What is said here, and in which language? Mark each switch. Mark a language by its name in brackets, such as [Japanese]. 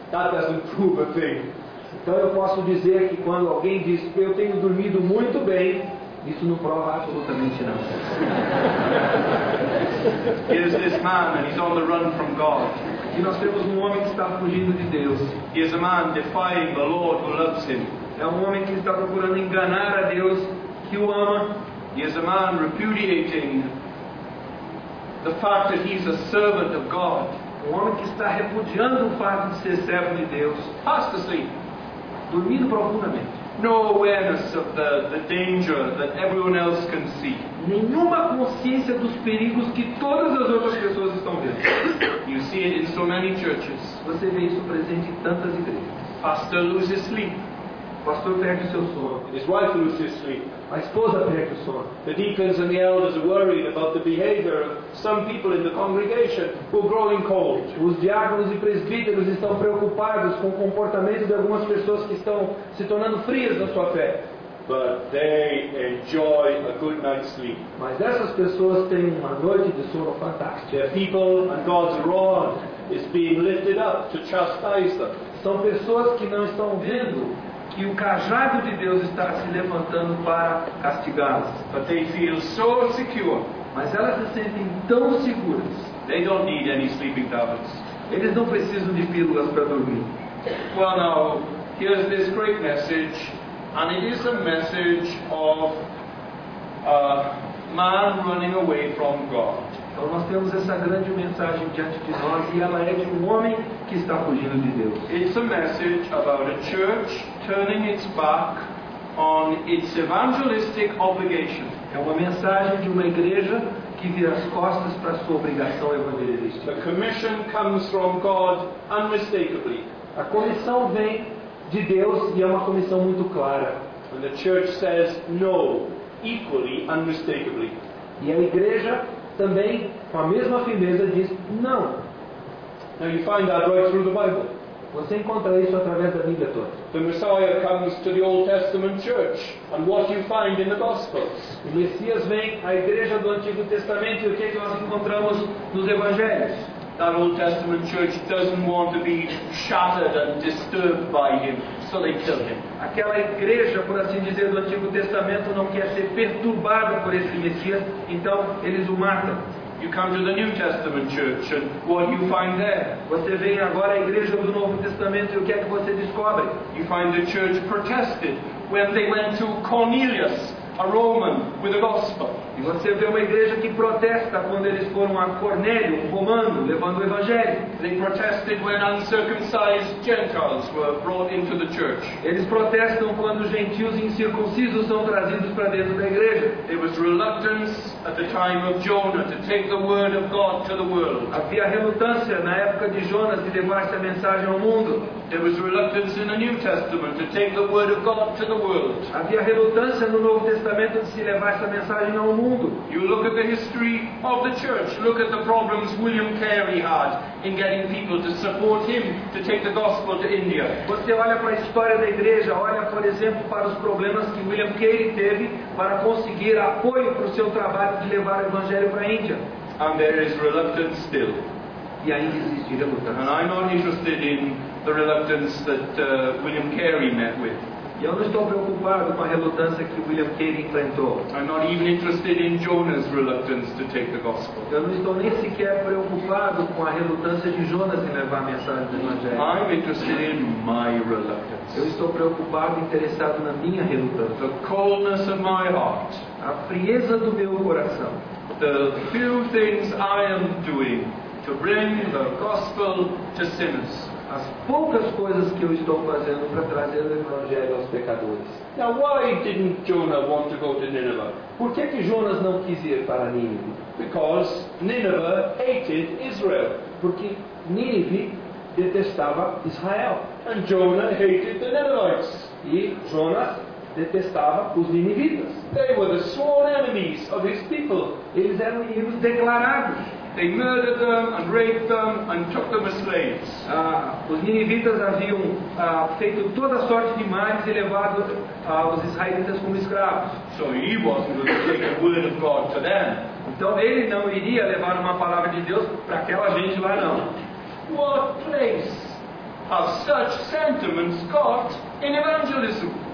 [English] That doesn't prove a thing. [Portuguese] Então eu posso dizer que quando alguém diz que eu tenho dormido muito bem, isso não prova absolutamente nada. [English] Here's this man and he's on the run from God. [Portuguese] E nós temos homem que está fugindo de Deus. [English] Here's a man defying the Lord who loves him. [Portuguese] É homem que está procurando enganar a Deus que o ama. [English] Here's a man repudiating the fact that he's a servant of God. [Portuguese] Homem que está repudiando o fato de ser servo de Deus. [English] Fast asleep. [Portuguese] Dormindo profundamente. [English] No awareness of the danger that everyone else can see. [Portuguese] Nenhuma consciência dos perigos que todas as outras pessoas estão vendo. [English] You see it in so many churches. [Portuguese] Você vê isso presente em tantas igrejas. [English] Pastor loses sleep. [Portuguese] Pastor perde seu sono. [English] His wife loses sleep. [Portuguese] A esposa perde o sono. [English] The deacons and the elders are worried about the behavior of some people in the congregation who are growing cold. [Portuguese] Os diáconos e presbíteros estão preocupados com o comportamento de algumas pessoas que estão se tornando frias na sua fé. [English] But they enjoy a good night's sleep. [Portuguese] Mas essas pessoas têm uma noite de sono fantástica. [English] Their people and God's rod is being lifted up to chastise them. [Portuguese] São pessoas que não estão vendo que o cajado de Deus está se levantando para castigá-las. [English] But they feel so secure. [Portuguese] Mas elas se sentem tão seguras. [English] They don't need any sleeping tablets. [Portuguese] Eles não precisam de pílulas para dormir. [English] Well, now, here's this great message, and it is a message of a man running away from God. [Portuguese] Então nós temos essa grande mensagem diante de nós e ela é de homem que está fugindo de Deus. [English] It's a message about a church turning its back on its evangelistic obligation. [Portuguese] É uma mensagem de uma igreja que vira as costas para sua obrigação evangelística. [English] The commission comes from God unmistakably. [Portuguese] A comissão vem de Deus e é uma comissão muito clara. [English] And the church says no, equally unmistakably. [Portuguese] E a igreja também, com a mesma firmeza, diz não. [English] Now you find that right through the Bible. [Portuguese] Você encontra isso através da Bíblia toda. [English] The Messiah comes to the Old Testament church, and what you find in the Gospels. [Portuguese] O Messias vem à igreja do Antigo Testamento e o que nós encontramos nos Evangelhos. [English] That Old Testament church doesn't want to be shattered and disturbed by him, so they kill him. [Portuguese] Aquela igreja, por assim dizer, do Antigo Testamento não quer ser perturbada por esse Messias, então eles o matam. [English] You come to the New Testament church and what you find there? [Portuguese] Você vem agora à igreja do Novo Testamento e o que é que você descobre? [English] You find the church protested when they went to Cornelius, a Roman, with the gospel. [Portuguese] E você vê uma igreja que protesta quando eles foram a Cornélio, um romano, levando o evangelho. [English] They protested when uncircumcised Gentiles were brought into the church. [Portuguese] Eles protestam quando gentios incircuncisos são trazidos para dentro da igreja. [English] There was reluctance at the time of Jonah to take the word of God to the world. [Portuguese] Havia relutância na época de Jonas de levar essa mensagem ao mundo. [English] There was reluctance in the New Testament to take the word of God to the world. [Portuguese] Havia relutância no Novo Testamento de se levar essa mensagem ao mundo. [English] You look at the history of the church. Look at the problems William Carey had in getting people to support him to take the gospel to India. [Portuguese] Você olha para a história da igreja, olha, por exemplo, para os problemas que William Carey teve para conseguir apoio para o seu trabalho de levar o evangelho para a Índia. [English] And there is reluctance still. [Portuguese] E ainda existe relutância. [English] And I'm not interested in the reluctance that William Carey met with. [Portuguese] E eu não estou preocupado com a relutância que William Carey enfrentou. [English] I'm not even interested in Jonah's reluctance to take the gospel. [Portuguese] Eu não estou nem sequer preocupado com a relutância de Jonas em levar a mensagem do evangelho. [English] I'm interested in my reluctance. [Portuguese] Eu estou preocupado e interessado na minha relutância. [English] The coldness of my heart. [Portuguese] A frieza do meu coração. [English] The few things I am doing to bring the gospel to sinners. [Portuguese] As poucas coisas que eu estou fazendo para trazer o evangelho aos pecadores. [English] Now, why didn't Jonah want to go to Nineveh? [Portuguese] Por que Jonas não quis ir para Nínive? [English] Because Nineveh hated Israel. [Portuguese] Porque Nínive detestava Israel. [English] And Jonah hated the Ninevites. [Portuguese] E Jonas detestava os ninivitas. [English] They were the sworn enemies of his people. [Portuguese] Eles eram inimigos declarados. [English] They murdered them and raped them and took them as slaves. [Portuguese] Os ninivitas haviam feito toda sorte de males e levado os israelitas como escravos. [English] So he wasn't going to take the word of God to them. [Portuguese] Então ele não iria levar uma palavra de Deus para aquela gente lá, não. [English] What place have such sentiments got in evangelism?